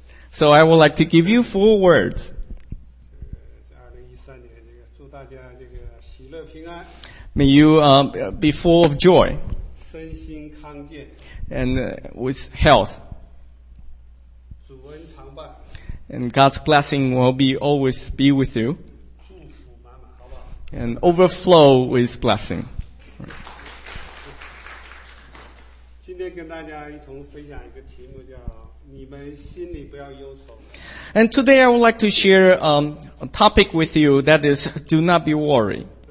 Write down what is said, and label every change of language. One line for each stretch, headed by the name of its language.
English: So I would like to give you four words.
Chinese: 2013年这个祝大家这个喜乐平安。
English: May you be full of joy.
Chinese: 身心康健。
English: And with health.
Chinese: 主恩常伴。
English: And God's blessing will be always be with you.
Chinese: 祝福满满，好不好？
English: And overflow with blessing.
Chinese: 今天跟大家一同分享一个题目叫你们心里不要忧愁。
English: And today I would like to share a topic with you that is do not be worried.